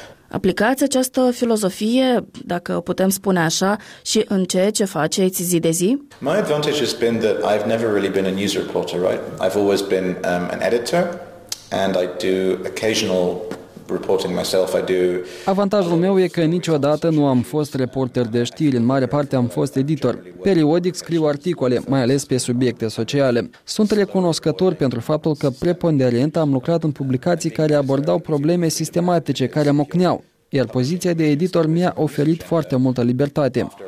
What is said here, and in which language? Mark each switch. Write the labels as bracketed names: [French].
[Romanian] Aplicați această filozofie, dacă o putem spune așa, și în ceea ce faceți zi de zi? [English] My advantage has been that I've never really been a news reporter, right? I've always been an editor and I do occasional reporting myself. I do. [Romanian] Avantajul meu e că niciodată nu am fost reporter de știri, în mare parte am fost editor. Periodic scriu articole, mai ales pe subiecte sociale. Sunt recunoscător pentru faptul că preponderent am lucrat în publicații care abordau probleme sistematice, care mocneau, iar poziția de editor mi-a oferit foarte multă libertate.